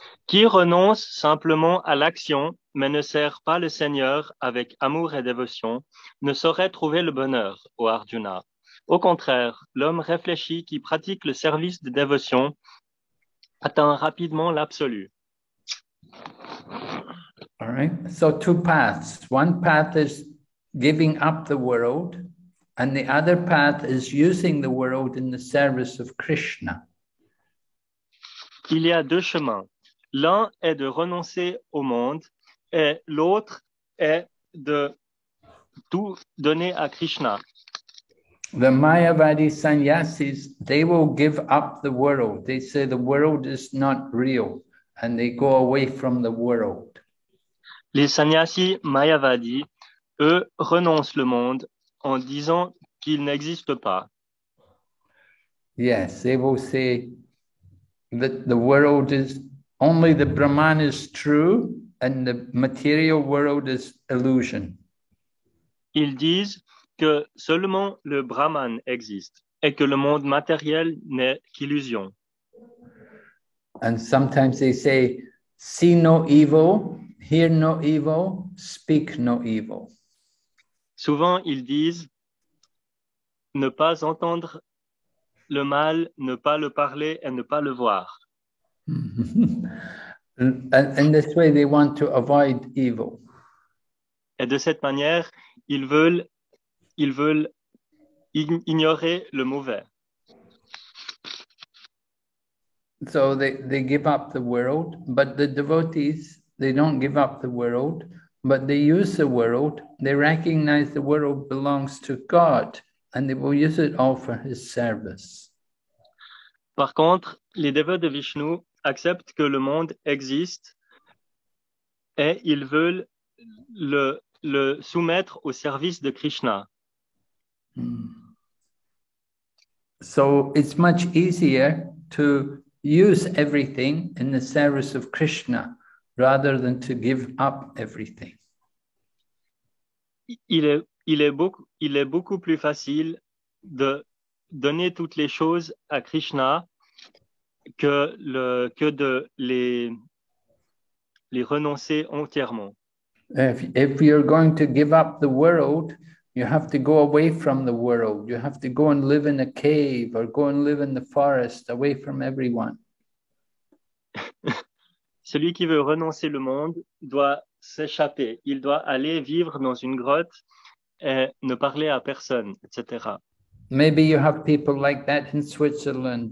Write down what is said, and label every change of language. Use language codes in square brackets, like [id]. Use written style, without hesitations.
[fr] Qui renonce simplement à l'action, mais ne sert pas le Seigneur avec amour et dévotion, ne saurait trouver le bonheur, ô Arjuna. Au contraire, l'homme réfléchi qui pratique le service de dévotion atteint rapidement l'absolu. [en] All right, so two paths. One path is giving up the world, and the other path is using the world in the service of Krishna. [fr] Il y a deux chemins. L'un est de renoncer au monde et l'autre est de tout donner à Krishna. [en] The Mayavadi sannyasis, they will give up the world. They say the world is not real and they go away from the world. [fr] Les sannyasis Mayavadi, eux, renoncent le monde en disant qu'il n'existe pas. [en] Yes, they will say that the world is... Only the Brahman is true and the material world is illusion. [fr] Ils disent que seulement le Brahman existe et que le monde matériel n'est qu'illusion. [en] And sometimes they say, see no evil, hear no evil, speak no evil. [fr] Souvent ils disent, ne pas entendre le mal, ne pas le parler et ne pas le voir. [en] And in this way, they want to avoid evil. [fr] Et de cette manière, ils veulent ignorer le mauvais. [en] So they give up the world, but the devotees, they don't give up the world, but they use the world. They recognize the world belongs to God, and they will use it all for His service. [fr] Par contre, les dévots de Vishnu accepte que le monde existe et ils veulent le soumettre au service de Krishna. [en] So it's much easier to use everything in the service of Krishna rather than to give up everything. [fr] Il est beaucoup plus facile de donner toutes les choses à Krishna que de les renoncer entièrement. [en] If you're going to give up the world, you have to go away from the world. You have to go and live in a cave or go and live in the forest, away from everyone. [fr] Celui qui veut renoncer le monde doit s'échapper. Il doit aller vivre dans une grotte et ne parler à personne, etc. [en] Maybe you have people like that in Switzerland.